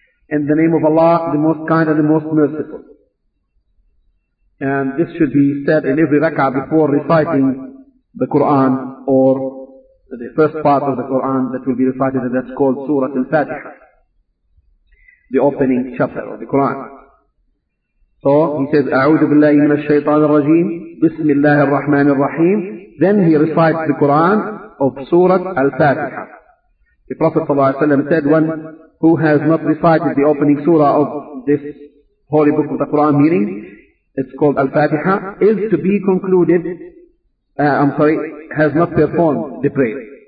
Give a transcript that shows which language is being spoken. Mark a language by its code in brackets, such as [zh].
[en] In the name of Allah, the most kind and the most merciful. And this should be said in every rak'ah before reciting the Quran or the first part of the Quran that will be recited, and that's called Surah Al-Fatiha, the opening chapter of the Quran. So he says, [ar] أعوذ بالله من الشيطان الرجيم بسم الله الرحمن الرحيم. [en] Then he recites the Quran of Surah Al-Fatiha. The Prophet ﷺ said, one who has not recited the opening surah of this holy book of the Quran, meaning it's called Al-Fatiha, is to be concluded, has not performed the prayer.